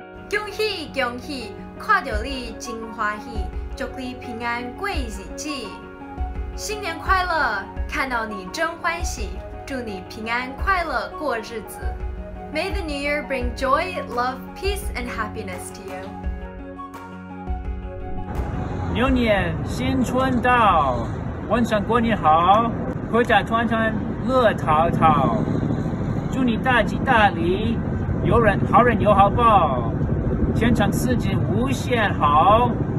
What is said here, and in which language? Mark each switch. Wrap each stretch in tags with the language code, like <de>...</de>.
<zh>恭喜恭喜，看到你真欢喜，祝你平安过日子，新年快乐，看到你真欢喜，祝你平安快乐过日子。</zh> <en>May the new year bring joy, love, peace and happiness to you.</en> <zh>牛年新春到，晚上过年好，阖家团团乐淘淘，祝你大吉大利，有人好人有好报，天长四季无限好。</zh>